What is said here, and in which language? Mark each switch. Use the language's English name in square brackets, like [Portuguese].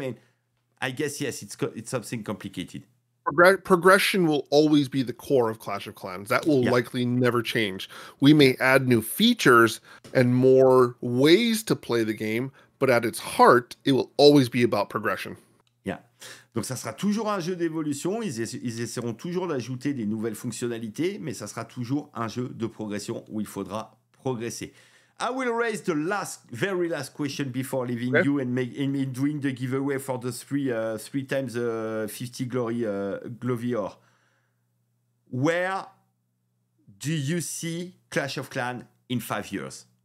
[English] And I guess, yes, it's something complicated. Progression will always be the core of Clash of Clans. That will likely never change. We may add new features and more ways to play the game, but at its heart, it will always be about progression. [French] Yeah. Donc, ça sera toujours un jeu d'évolution. Ils essaieront toujours d'ajouter des nouvelles fonctionnalités, mais ça sera toujours un jeu de progression où il faudra progresser. [English] I will raise the last, very last question before leaving you and doing the giveaway for the three times 50 glory Glovior. Where do you see Clash of Clans in 5 years?